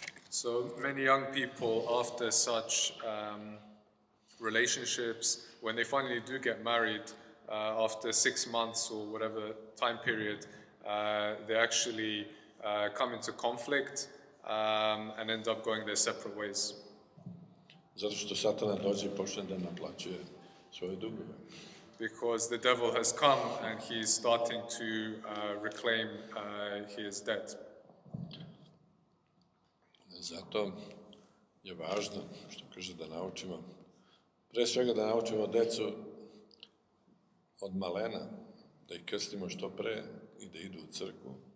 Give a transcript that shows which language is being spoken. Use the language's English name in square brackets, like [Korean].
[English] So many young people, after such relationships, when they finally do get married, after 6 months or whatever time period, they actually come into conflict and end up going their separate ways. [Serbian] Zato što Satana dođe i počne da naplaćuje svoje dugove. [English] Because the devil has come and he is starting to reclaim his debt. [Serbian] Zato je važno što kaže da naučimo, pre svega da naučimo decu od malena, da ih krstimo što pre i da idu u crkvu.